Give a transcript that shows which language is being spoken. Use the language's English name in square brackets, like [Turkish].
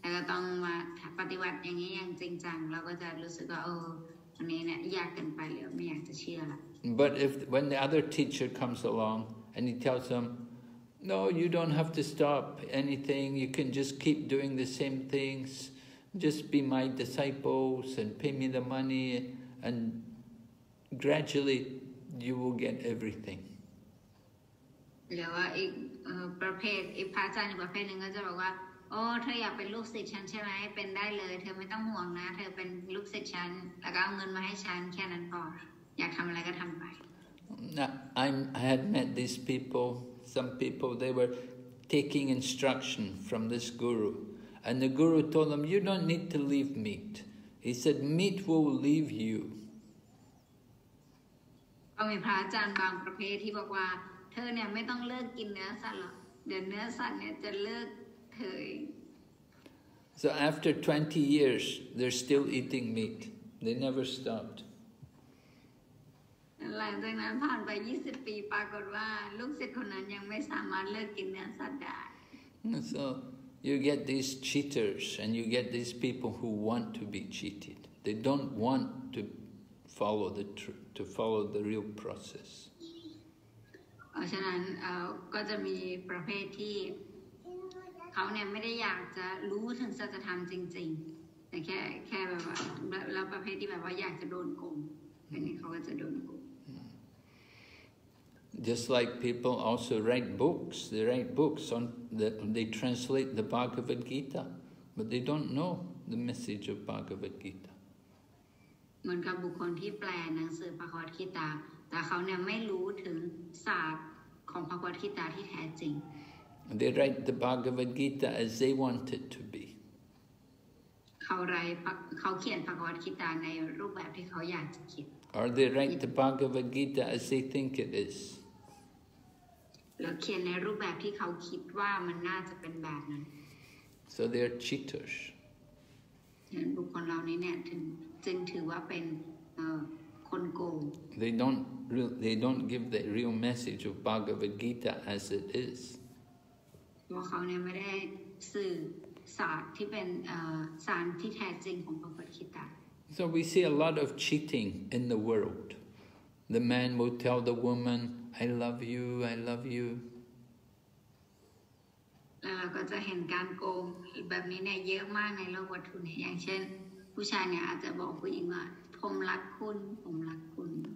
[Thai] แล้วก็ต้องมาปฏิบัติอย่างนี้อย่างจริงจังเราก็จะรู้สึกว่าเออวันนี้เนี่ยยากเกินไปหรือไม่อยากจะเชื่อละ [English] But if when the other teacher comes along and he tells them no you don't have to stop anything you can just keep doing the same things just be my disciples and pay me the money and gradually you will get everything [Thai] หรือว่าอีกประเภทอีกพระอาจารย์อีกประเภทนึงก็จะบอกว่าโอ้เธออยากเป็นลูกศิษย์ฉันใช่ไหมเป็นได้เลยเธอไม่ต้องห่วงนะเธอเป็นลูกศิษย์ฉันแล้วก็เอาเงินมาให้ฉันแค่นั้นพออยากทำอะไรก็ทำไป [English] I had met these people some people they were taking instruction from this guru and the guru told them you don't need to leave meat he said meat will leave you [Thai] ก็มีพระอาจารย์บางประเภทที่บอกว่าเธอเนี่ยไม่ต้องเลิกกินเนื้อสัตว์หรอกเดี๋ยวเนื้อสัตว์เนี่ยจะเลิกเถย [English] so after 20 years they're still eating meat they never stopped [Thai] หลังจากนั้นผ่านไป20ปีปรากฏว่าลูกศิษย์คนนั้นยังไม่สามารถเลิกกินเนื้อสัตว์ได้ [English] so you get these cheaters and you get these people who want to be cheated they don't want to follow the to follow the real process [Thai] ฉะนั้นก็จะมีประเภทที่เขาเนี่ยไม่ได้อยากจะรู้ถึงสัจธรรมจริงๆแต่แค่แบบว่าแล้วประเภทที่แบบว่าอยากจะโดนโกงอันนี้เขาก็จะโดนโกง [English] Just like people also write books they write books on the they translate the Bhagavad Gita but they don't know the message of Bhagavad Gita [Thai] เหมือนกับบุคคลที่แปลหนังสือพระกวดกีตาแต่เขาเนี่ยไม่รู้ถึงศาสตร์ของพระกวดกีตาที่แท้จริง [English] They write the Bhagavad Gita as they want it to be [Thai] เขาเขียนพระกวดกีตาในรูปแบบที่เขาอยากจะเขียน [English] Or they write the Bhagavad Gita as they think it is [Thai] แล้วเขียนในรูปแบบที่เขาคิดว่ามันน่าจะเป็นแบบนั้น [English] So they are cheaters [Thai] เห็นบุคคลเหล่านี้เนี่ยถึงถือว่าเป็นคนโกง [English] they don't give the real message of Bhagavad Gita as it is [Thai] ว่าเขาเนี่ยไม่ได้สื่อสารที่เป็นสารที่แท้จริงของพระพุทธกีตา [English] so we see a lot of cheating in the world the man will tell the woman I love you [Thai] แล้วเราก็จะเห็นการโกงแบบนี้เนี่ยเยอะมากในโลกวัตถุเนี่ยอย่างเช่นผู้ชายเนี่ยอาจจะบอกผู้หญิงว่าผมรักคุณผมรักคุณ